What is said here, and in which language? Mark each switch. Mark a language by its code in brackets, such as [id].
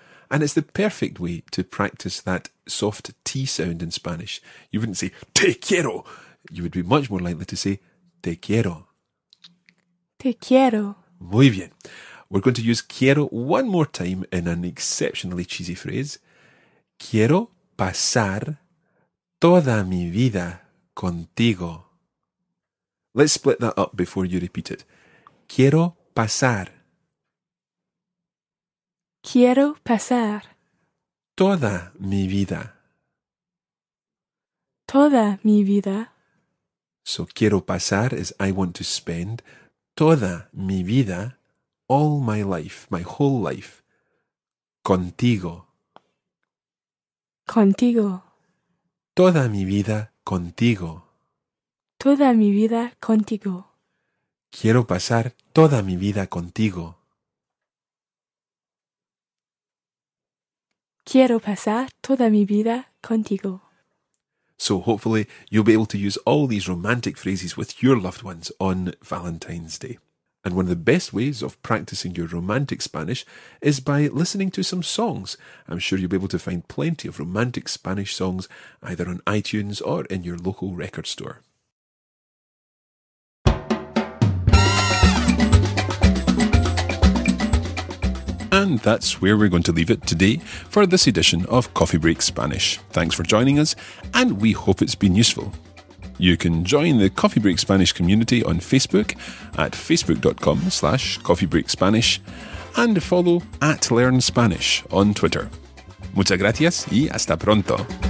[en] And it's the perfect way to practice that soft T sound in Spanish. You wouldn't say, [es] te quiero. [en] You would be much more likely to say, te quiero. [es] Te quiero. Muy bien. [en] We're going to use quiero one more time in an exceptionally cheesy phrase. [es] Quiero pasar toda mi vida contigo. [en] Let's split that up before you repeat it. [es] Quiero pasar. Quiero pasar. Toda mi vida. Toda mi vida. [en] So [es] quiero pasar [en] is I want to spend [es] toda mi vida, [en] all my life, my whole life, [es] contigo. Contigo. Toda mi vida contigo. Toda mi vida contigo. Quiero pasar toda mi vida contigo. Quiero pasar toda mi vida contigo. [en] So hopefully you'll be able to use all these romantic phrases with your loved ones on Valentine's Day. And one of the best ways of practicing your romantic Spanish is by listening to some songs. I'm sure you'll be able to find plenty of romantic Spanish songs either on iTunes or in your local record store. And that's where we're going to leave it today for this edition of Coffee Break Spanish. Thanks for joining us, and we hope it's been useful. You can join the Coffee Break Spanish community on Facebook at facebook.com/coffeebreakspanish and follow at Learn Spanish on Twitter. [es] Muchas gracias y hasta pronto.